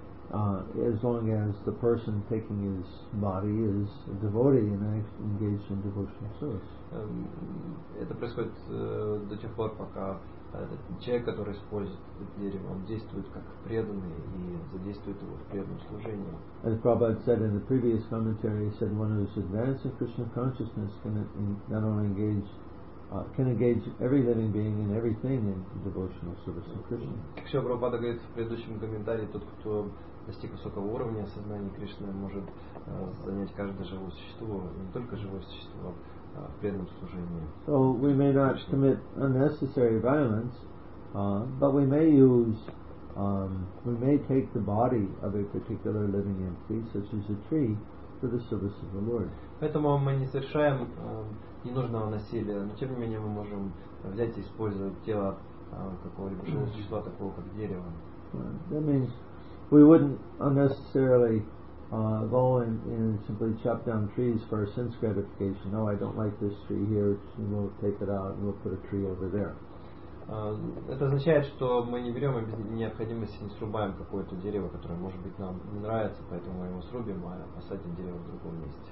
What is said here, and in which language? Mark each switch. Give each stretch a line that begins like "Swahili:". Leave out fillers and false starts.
English: As long as the person taking his body is a devotee and engaged in devotional service.
Russian: Это происходит до тех пор, пока человек, который использует это дерево, он действует как преданный и задействует его в преданном служении.
English: As Prabhupada said in the previous commentary, he said one who is advanced in Krishna consciousness can not only engage can engage every living being and everything in devotional service to Krishna.
Russian: Как Шрила Прабхупада говорит в предыдущем комментарии, тот, кто достиг высокого уровня сознания Кришны, может занять каждое живое существо, не только живое существо, а в преданном служении.
English: So we may not commit unnecessary violence, but we may use, we may take the body of a particular living entity, such as a tree, for the service of the Lord.
Russian: Поэтому мы не совершаем ненужного насилия, но тем не менее мы можем взять и использовать тело какого-либо живого существа, такого как дерево.
English: That means we wouldn't unnecessarily go and simply chop down trees for our sense gratification. Oh, I don't like this tree here, so we'll take it out and we'll put a tree over there.
Russian: Это означает, что мы не берем и без необходимости не срубаем какое-то дерево, которое, может быть, нам не нравится, поэтому мы его срубим, а посадим дерево в другом месте.